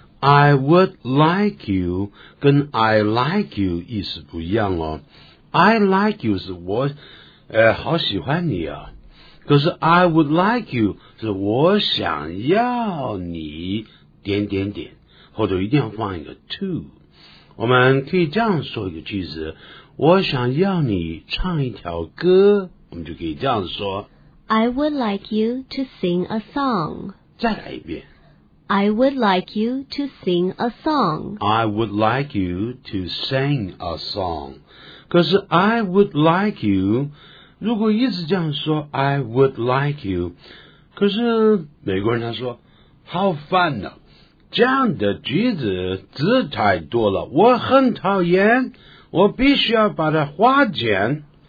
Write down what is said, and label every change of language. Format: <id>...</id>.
<en>I would like you</en> <zh>跟</zh> <en>I like you</en> <zh>意思不一样哦。</zh> <en>I like you</en> <zh>是我好喜欢你啊。可是</zh> <en>I would like you</en> <zh>是我想要你点点点。后头一定要放一个 to。我们可以这样说一个句子。我想要你唱一条歌。我们就可以这样说。</zh> <en>I would like you to sing a song.</en> <zh>再来一遍。</zh> <en>I would like you to sing a song. I would like you to sing a song.</en> <zh>可是</zh> <en>I would like you,</en> <zh>如果一直这样说 I would like you, 可是美国人他说好烦呢，这样的句子字太多了，我很讨厌，我必须要把它化简。</zh>